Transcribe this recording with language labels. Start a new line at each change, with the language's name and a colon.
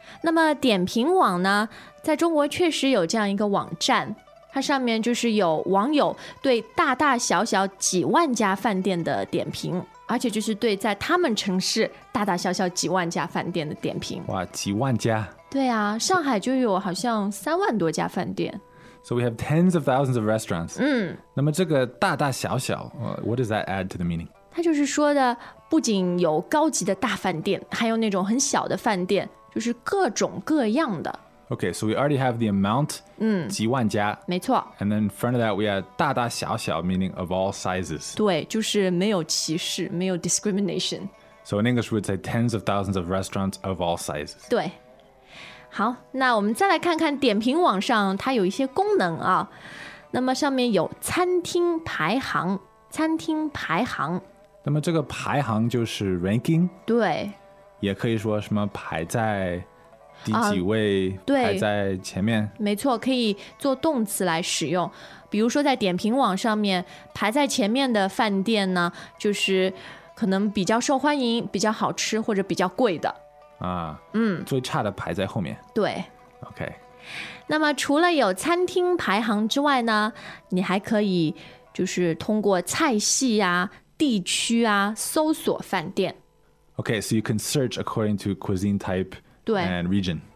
Chinese: 那么点评网呢，在中国确实有这样一个网站，它上面就是有网友对大大小小几万家饭店的点评，而且就是对在他们城市大大小小几万家饭店的点评。哇，几万家。对啊，上海就有好像三万多家饭店。
English: So we have tens of thousands of restaurants。
Chinese: 嗯，那么这个大大小小
English: What does that add to the meaning？
Chinese: 它就是说的不仅有高级的大饭店，还有那种很小的饭店，就是各种各样的。
English: OK， so we already have the amount。
Chinese: 嗯，几万家，没错。
English: And then in front of that we have 大大小小， meaning of all sizes。
Chinese: 对，就是没有歧视，没有 discrimination。
English: So in English, we would say tens of thousands of restaurants of all sizes.
Chinese: 对，好，那我们再来看看点评网上它有一些功能啊。那么上面有餐厅排行，餐厅排行，那么这个排行就是 ranking，对，也可以说什么排在第几位，对，排在前面，没错，可以做动词来使用。比如说在点评网上面，排在前面的饭店呢，就是可能比较受欢迎，比较好吃，或者比较贵的啊，最差的排在后面，对， OK。那么除了有餐厅排行之外呢，你还可以就是通过菜系啊、地区啊搜索饭店。
English: OK, so you can search according to cuisine type and region.